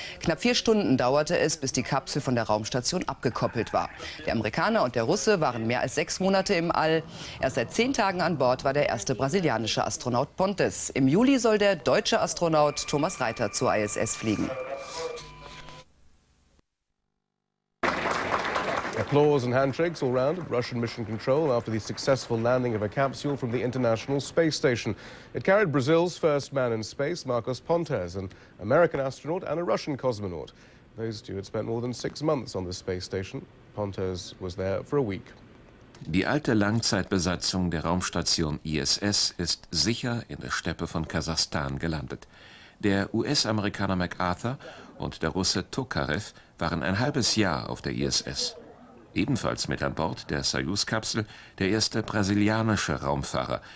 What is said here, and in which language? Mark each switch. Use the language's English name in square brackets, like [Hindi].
[German] Knapp 4 Stunden dauerte es, bis die Kapsel von der Raumstation abgekoppelt war. Der Amerikaner und der Russe waren mehr als 6 Monate im All. Erst seit 10 Tagen an Bord war der erste brasilianische Astronaut Pontes. Im Juli soll der deutsche Astronaut Thomas Reiter zur ISS fliegen. [English] Applause and handshakes all round at Russian Mission Control after the successful landing of a capsule from the International Space Station. It carried Brazil's first man in space, Marcos Pontes, an American astronaut and a Russian cosmonaut. Those two had spent more than 6 months on the space station. Pontes was there for a week. [German] Die alte Langzeitbesatzung der Raumstation ISS ist sicher in der Steppe von Kasachstan gelandet. Der US-Amerikaner MacArthur und der Russe Tokarev waren ein halbes Jahr auf der ISS. Ebenfalls mit an Bord der Soyuz-Kapsel der erste brasilianische Raumfahrer.